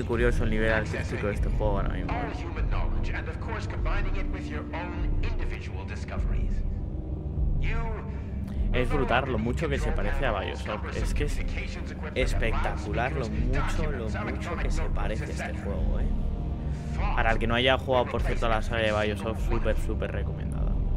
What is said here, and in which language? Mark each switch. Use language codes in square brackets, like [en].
[es] Muy curioso el nivel artístico de este juego ahora mismo. [en] All human knowledge and of course combining it with your own individual discoveries. You [es] es brutal lo mucho que se parece a Bioshock. Es que es espectacular lo mucho que se parece a este juego, ¿eh? Para el que no haya jugado, por cierto, a la saga de Bioshock, súper, súper recomendada.